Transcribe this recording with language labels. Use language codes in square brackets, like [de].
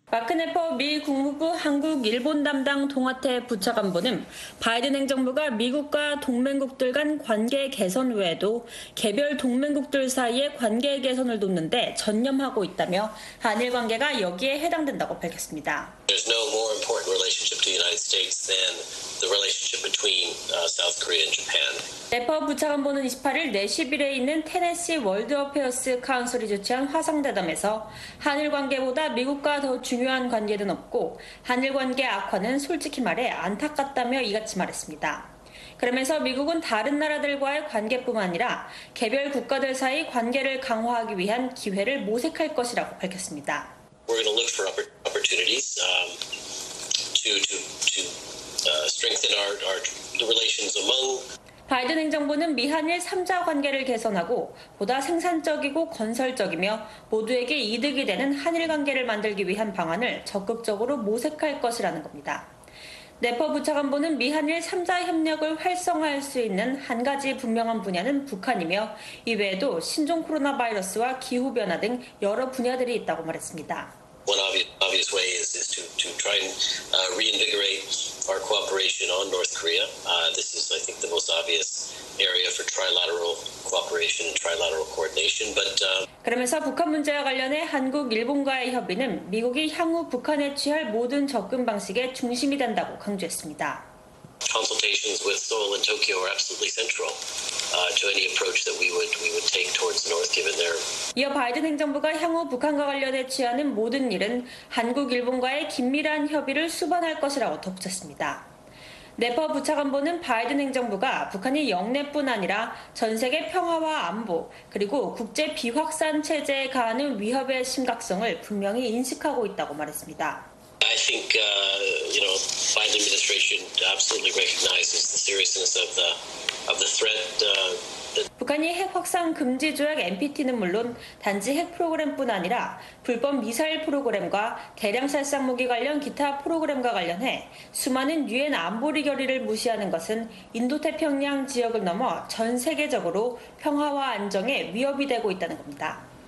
[ko] 마크네퍼 미 국무부 한국-일본 담당 동아태 부차관보는 바이든 행정부가 미국과 동맹국들 간 관계 개선 외에도 개별 동맹국들 사이의 관계 개선을 돕는 데 전념하고 있다며 한일 관계가 여기에 해당된다고 밝혔습니다. [en] There's no more important relationship to the United States than the relationship between South Korea and Japan. [ko] 네퍼 부차관보는 28일 내시빌에 있는 테네시 월드 어페어스 카운슬이 주최한 화상대담에서 한일 관계보다 미국과 더 중요한 관계는 없고 한일 관계 악화는 솔직히 말해 안타깝다며 이같이 말했습니다. 그러면서 미국은 다른 나라들과의 관계뿐만 아니라 개별 국가들 사이 관계를 강화하기 위한 기회를 모색할 것이라고 밝혔습니다. [en] We're going to look for opportunities to strengthen our relations among [ko] 바이든 행정부는 미한일 3자 관계를 개선하고 보다 생산적이고 건설적이며 모두에게 이득이 되는 한일 관계를 만들기 위한 방안을 적극적으로 모색할 것이라는 겁니다. 네퍼 부차관보는 미한일 3자 협력을 활성화할 수 있는 한 가지 분명한 분야는 북한이며 이외에도 신종 코로나 바이러스와 기후변화 등 여러 분야들이 있다고 말했습니다. [en] One obvious way is to try and reinvigorate our cooperation on North Korea. This is, I think, the most obvious area for trilateral cooperation and trilateral coordination. But [ko] 그러면서 북한 문제와 관련해 한국, 일본과의 협의는 미국이 향후 북한에 취할 모든 접근 방식의 중심이 된다고 강조했습니다. [en] Consultations with Seoul and Tokyo are absolutely central to any approach that we would take towards the North, given their. [ko] 이어 바이든 행정부가 향후 북한과 관련해 취하는 모든 일은 한국 일본과의 긴밀한 협의를 수반할 것이라고 덧붙였습니다. 네퍼 부차관보는 바이든 행정부가 북한이 영내뿐 아니라 전 세계 평화와 안보 그리고 국제 비확산 체제에 가하는 위협의 심각성을 분명히 인식하고 있다고 말했습니다. [en] I think Biden administration absolutely recognizes the seriousness of the threat. [ko] 북한이 핵 확산 금지 조약 NPT는 물론 단지 핵 프로그램뿐 아니라 불법 미사일 프로그램과 대량 살상 무기 관련 기타 프로그램과 관련해 수많은 유엔 안보리 결의를 무시하는 것은 인도태평양 지역을 넘어 전 세계적으로 평화와 안정에 위협이 되고 있다는 겁니다.